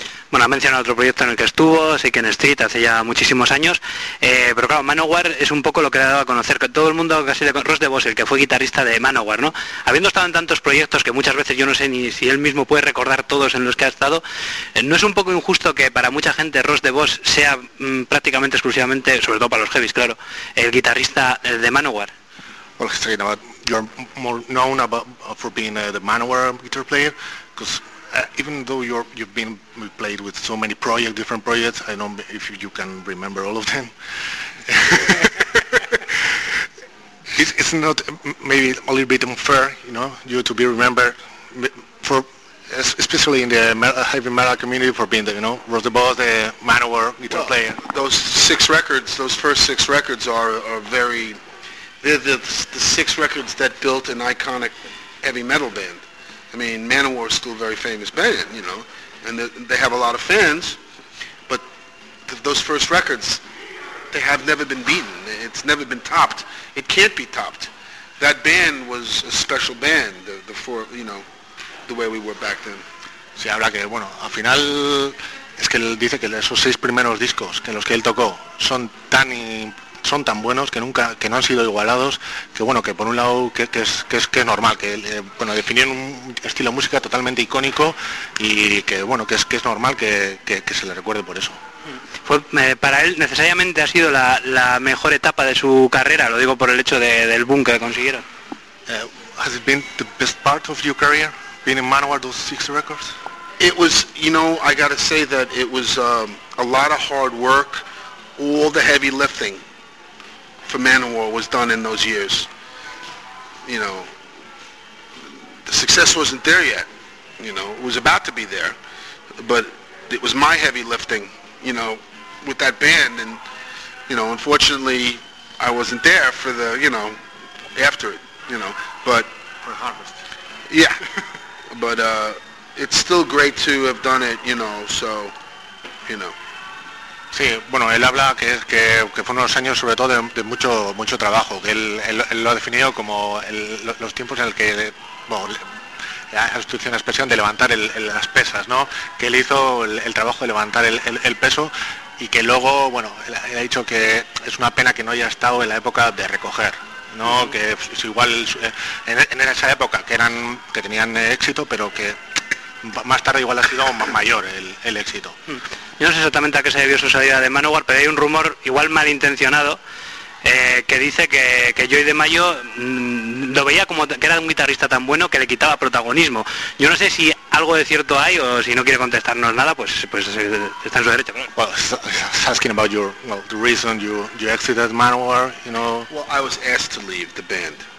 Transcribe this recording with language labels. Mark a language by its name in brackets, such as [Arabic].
[Spanish] Bueno, ha mencionado otro proyecto en el que estuvo, Sickin' Street, hace ya muchísimos años, pero claro, Manowar es un poco lo que le ha dado a conocer, que todo el mundo casi de Ross DeVos, el que fue guitarrista de Manowar, ¿no? Habiendo estado en tantos proyectos que muchas veces yo no sé ni si él mismo puede recordar todos en los que ha estado, ¿no es un poco injusto que para mucha gente Ross DeVos sea prácticamente exclusivamente, sobre todo para los heavies, claro, el guitarrista de Manowar? [English] Well, Christina, you're more known for being the Manowar guitar player, because even though you've played with so many different projects, I don't know if you can remember all of them. it's not maybe a little bit unfair, you know, you to be remembered for, especially in the heavy metal community, for being Ross DeVos, the Manowar guitar player. Those first six records are very. They're the six records that built an iconic heavy metal band. I mean, Manowar is still a very famous band, you know, and they have a lot of fans, but those first records, they have never been beaten. It's never been topped. It can't be topped. That band was a special band, the four, you know, the way we were back then. [Spanish] Sí, habla que, bueno, al final, es que él dice que esos seis primeros discos que los que él tocó son tan buenos que no han sido igualados, que bueno, que por un lado que es normal, que bueno, definieron un estilo de música totalmente icónico, y que bueno, que es normal que se le recuerde por eso. Para él necesariamente ha sido la mejor etapa de su carrera, lo digo por el hecho del boom que consiguieron. [English] Has it been the best part of your career, being in Manowar, those six records? It was, you know, I gotta say that it was a lot of hard work, all the heavy lifting for Manowar was done in those years. You know, success wasn't there yet, you know, it was about to be there, but it was my heavy lifting, you know, with that band, and, you know, unfortunately, I wasn't there for the, you know, after it, you know, but... For Harvest. Yeah, but it's still great to have done it, you know, so, you know. [Spanish] Sí, bueno, él habla que fueron unos años sobre todo de mucho mucho trabajo, que él lo ha definido como los tiempos en el que, bueno, la sustitución de expresión de levantar las pesas, ¿no? Que él hizo el trabajo de levantar el peso y que luego, bueno, él ha dicho que es una pena que no haya estado en la época de recoger, ¿no? Uh-huh. Que es igual en esa época que tenían éxito, pero que más tarde igual ha sido más mayor el éxito. Yo no sé exactamente a qué se debió su salida de Manowar, pero hay un rumor igual malintencionado que dice que Joey DeMaio lo veía como que era un guitarrista tan bueno que le quitaba protagonismo. Yo no sé si algo de cierto hay o si no quiere contestarnos nada, pues está en su derecho. [English] Well, he's asking about your, well, the reason you exited Manowar, you know. Well, I was asked to leave the band.